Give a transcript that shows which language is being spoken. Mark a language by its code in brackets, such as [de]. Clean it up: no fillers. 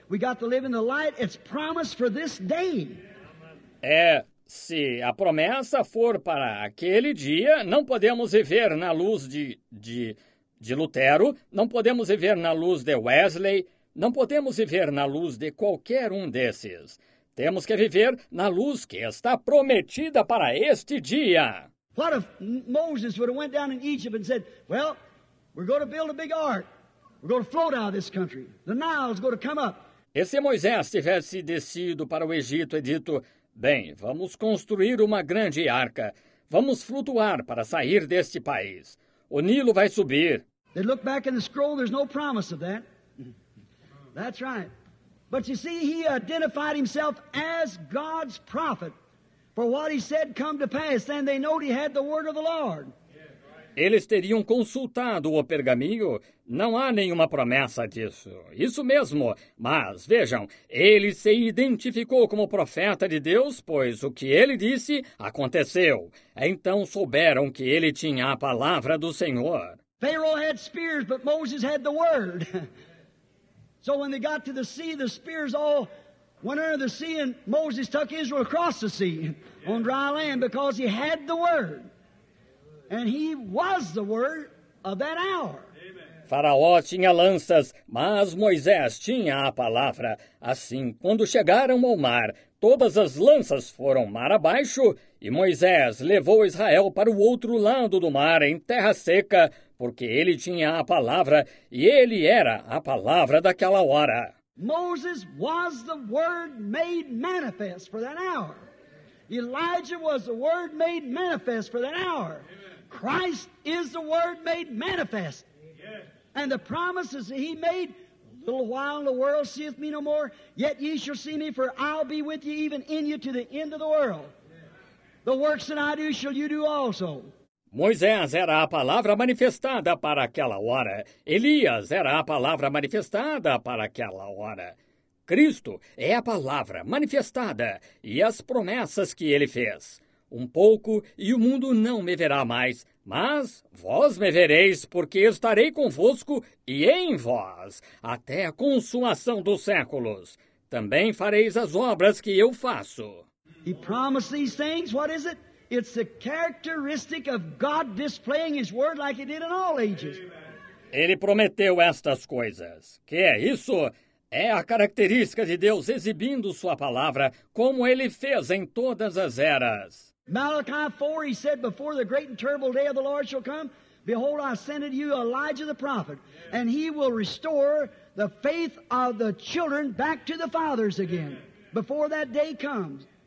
[en] We got to live in the light, it's promised for this day. [pt] É, se a promessa for para aquele dia, não podemos viver na luz de Lutero, não podemos viver na luz de Wesley, não podemos viver na luz de qualquer um desses. Temos que viver na luz que está prometida para este dia. [en] What if Moses would have went down in Egypt and said, well, we're going to build a big ark. We're going to float out of this country. The Nile's going to come up. [pt] E se Moisés tivesse descido para o Egito e dito, bem, vamos construir uma grande arca. Vamos flutuar para sair deste país. O Nilo vai subir. [en] They look back in the scroll, there's no promise of that. That's right. But you see, he identified himself as God's prophet. for what he said come to pass, then they know he had the word of the Lord. [pt] Eles teriam consultado o pergaminho. Não há nenhuma promessa disso. Isso mesmo. Mas, vejam, ele se identificou como profeta de Deus, pois o que ele disse aconteceu. Então souberam que ele tinha a palavra do Senhor. [en] Pharaoh had spears, but Moses had the word. So when they got to the sea, the spears all went under the sea, and Moses took Israel across the sea on dry land because he had the word. And he was the word of that hour. [pt] Faraó tinha lanças, mas Moisés tinha a palavra. Assim, quando chegaram ao mar, todas as lanças foram mar abaixo, e Moisés levou Israel para o outro lado do mar, em terra seca, porque ele tinha a palavra, e ele era a palavra daquela hora. [en] Moses was the word made manifest for that hour. Elijah was the word made manifest for that hour. Christ is the word made manifest. Yes. And the promises that he made, a little while the world seeth me no more, yet ye shall see me, for I'll be with you even in you to the end of the world. The works that I do shall you do also. [pt] Moisés era a palavra manifestada para aquela hora. Elias era a palavra manifestada para aquela hora. Cristo é a palavra manifestada e as promessas que ele fez. Um pouco, e o mundo não me verá mais, mas vós me vereis, porque estarei convosco e em vós, até a consumação dos séculos. Também fareis as obras que eu faço. [en] He promised these things. What is it? It's the characteristic of God displaying his word like he did in all ages. [pt] Ele prometeu estas coisas. Que é isso? É a característica de Deus exibindo sua palavra, como ele fez em todas as eras. [en] Malachi 4, he said, before the great and terrible day of the Lord shall come, behold, I send unto you Elijah the prophet, and he will restore the faith of the children back to the fathers again, before that day comes.